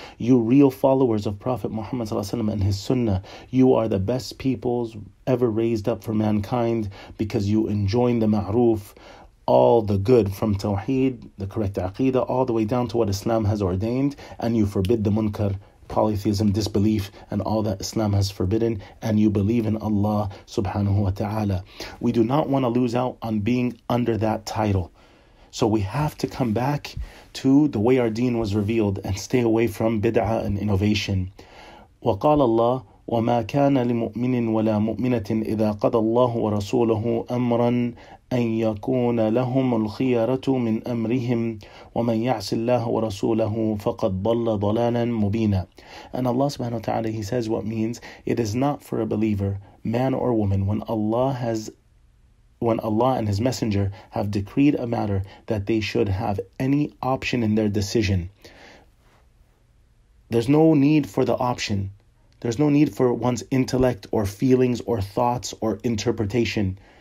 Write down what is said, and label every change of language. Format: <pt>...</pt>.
<en>You real followers of Prophet Muhammad sallallahu alaihi wasallam and His Sunnah, you are the best peoples ever raised up for mankind because you enjoin the ma'roof, all the good from Tawheed, the correct aqidah, all the way down to what Islam has ordained, and you forbid the munkar, polytheism, disbelief, and all that Islam has forbidden, and you believe in Allah subhanahu wa ta'ala. We do not want to lose out on being under that title. So we have to come back to the way our deen was revealed and stay away from bid'ah and innovation.</en> <ar>وقال الله وما كان لمؤمن ولا مؤمنة إذا قضى الله ورسوله أمرا أن يكون لهم الخيرة من أمرهم ومن يعص الله ورسوله فقد ضل ضلالا مبينا.</ar> <en>And Allah subhanahu wa ta'ala, He says what means, it is not for a believer, man or woman, when Allah and His Messenger have decreed a matter, that they should have any option in their decision. There's no need for the option. There's no need for one's intellect or feelings or thoughts or interpretation.</en>